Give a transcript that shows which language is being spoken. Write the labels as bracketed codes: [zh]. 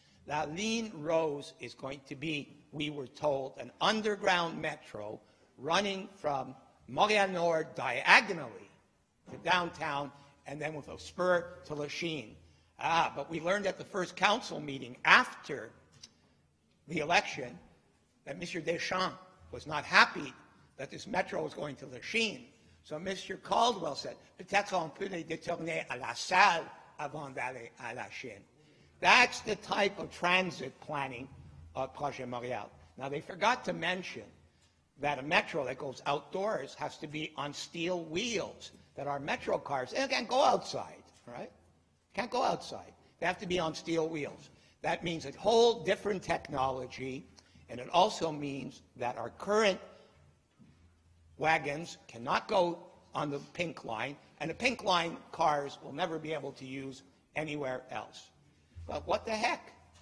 [en] That lean rose is going to be, we were told, an underground metro running from Montréal Nord diagonally to downtown and then with a spur to Lachine. But we learned at the first council meeting after the election that Mr. Deschamps was not happy that this metro was going to Lachine. So Mr. [fr] Caldwell said, peut-être on peut les détourner à la salle avant d'aller à Lachine. [en] That's the type of transit planning of Projet Montréal. Now, they forgot to mention that a metro that goes outdoors has to be on steel wheels, that our metro cars, they can't go outside, right? Can't go outside. They have to be on steel wheels. That means a whole different technology, and it also means that our current wagons cannot go on the pink line, and the pink line cars will never be able to use anywhere else. But what the heck?